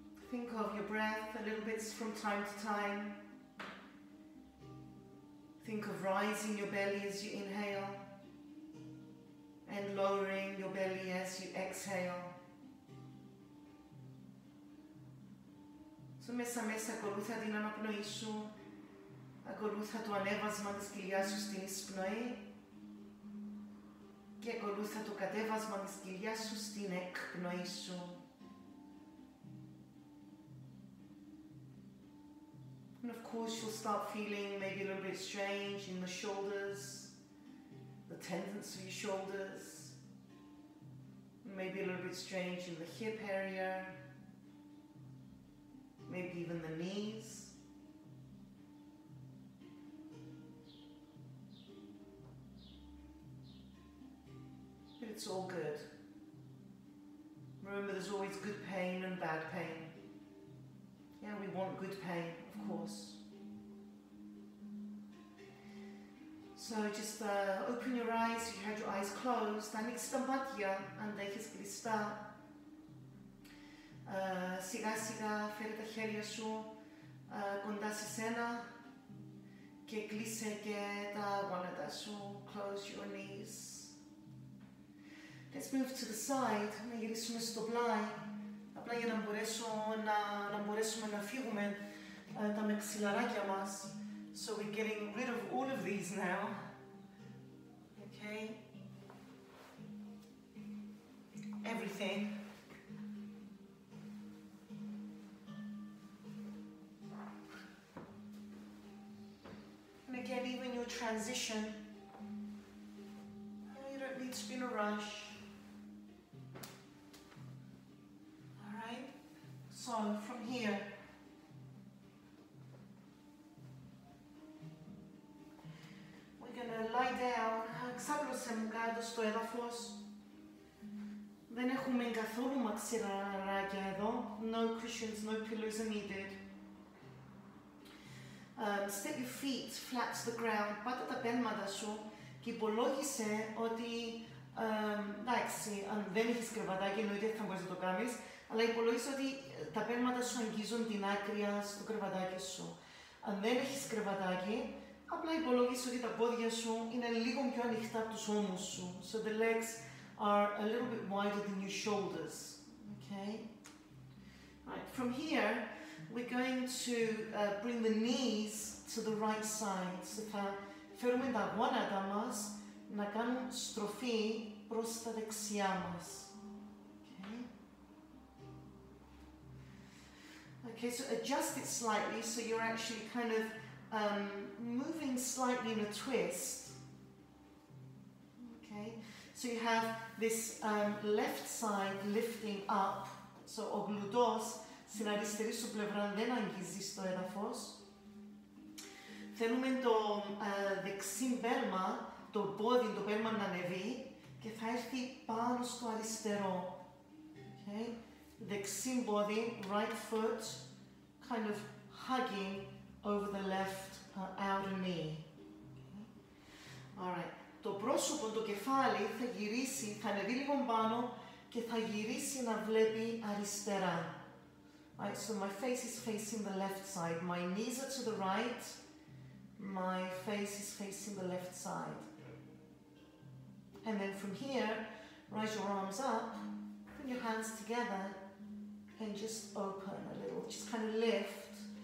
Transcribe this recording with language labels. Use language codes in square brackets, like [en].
[en] Think of your breath a little bit from time to time. Think of rising your belly as you inhale and lowering your belly as you exhale. [el] So μέσα μέσα ακολούθα την αναπνοή σου, ακολούθα το ανέβασμα της κοιλιάς σου στην εισπνοή και ακολούθα το κατέβασμα της κοιλιάς σου στην εκπνοή σου. [en] And of course, you'll start feeling maybe a little bit strange in the shoulders, the tendons of your shoulders, maybe a little bit strange in the hip area, maybe even the knees. But it's all good. Remember, there's always good pain and bad pain. Yeah, we want good pain, of course. So just open your eyes if you had your eyes closed. [el] Ανοίξε τα μάτια αν τα έχεις κλειστά. Σιγά σιγά φέρε τα χέρια σου κοντά σε σένα και κλείσε και τα γόνατα σου. [en] Close your knees. Let's move to the side. [el] Να γυρίσουμε στο πλάι. Απλά για να μπορέσουμε να φύγουμε τα μεξιλαράκια μας. [en] So we're getting rid of all of these now. Okay. Everything. And again, even your transition. You don't need to be in a rush. So, from here, we're going to lie down. [el] Ξάπλωσε μου κάτω στο έδαφος. Δεν έχουμε καθόλου μαξιλαράκια εδώ. [en] No cushions, no pillows are needed. Step your feet flat to the ground. [el] Πάτα τα πέλματα σου και υπολόγισε ότι εντάξει, αν δεν έχεις κρεβατάκι, εννοείται θα μπορείς να το κάνεις. Αλλά υπολογίζω ότι τα πέρματα σου αγγίζουν την άκρη στο κρεβατάκι σου. Αν δεν έχεις κρεβατάκι, Απλά υπολογίστε ότι τα πόδια σου είναι λίγο πιο ανοιχτά από τους ώμους σου. [en] So the legs are a little bit wider than your shoulders. Okay. Right. From here, we're going to bring the knees to the right side. [el] So θα φέρουμε τα γόνατα μας να κάνουν στροφή προς τα δεξιά μας. [en] Okay, so adjust it slightly so you're actually kind of moving slightly in a twist. Okay, so you have this left side lifting up. [el] So ο γλουτός στην αριστερή σου πλευρά δεν αγγίζει στο έδαφος. Θέλουμε το δεξί μπέλμα, το πόδι, το μπέλμα να ανεβεί και θα έρθει πάνω στο αριστερό. [en] Okay. [el] Δεξί πόδι, [en] right foot, kind of hugging over the left outer knee. [el] Alright, το πρόσωπο, το κεφάλι θα γυρίσει, θα ανεβεί λίγο πάνω και θα γυρίσει να βλέπει αριστερά. [en] Alright, so my face is facing the left side. My knees are to the right. My face is facing the left side. And then from here, raise your arms up, put your hands together, and just open a little, just kind of lift.